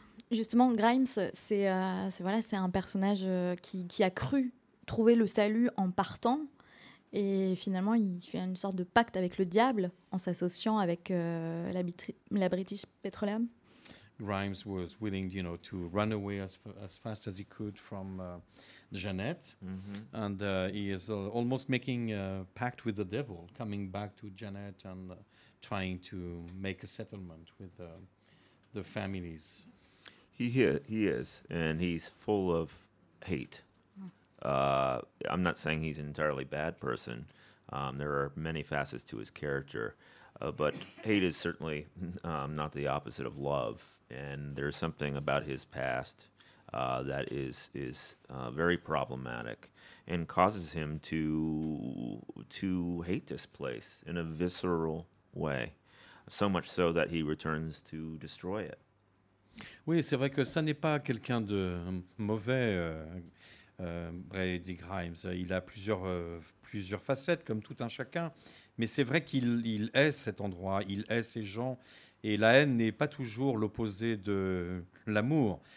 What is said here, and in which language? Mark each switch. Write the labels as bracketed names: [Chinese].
[French] Justement, Grimes, c'est un personnage qui a cru trouver le salut en partant. Et finalement, il fait une sorte de pacte avec le diable en s'associant avec la British Petroleum. [English] Grimes was willing, you know, to run away as fast as he could from Jeanette, and he is almost making a pact with the devil, coming back to Jeanette and trying to make a settlement with the families. He is, and he's full of hate. I'm not saying he's an entirely bad person. There are many facets to his character. But hate is certainly not the opposite of love. And there's something about his past that is very problematic and causes him to hate this place in a visceral way, so much so that he returns to destroy it. [French] Oui, c'est vrai que ça n'est pas quelqu'un de mauvais, Brady Grimes. Il a plusieurs facettes, comme tout un chacun. Mais c'est vrai qu'il hait cet endroit, il hait ces gens, Et la haine n'est pas toujours l'opposé de l'amour.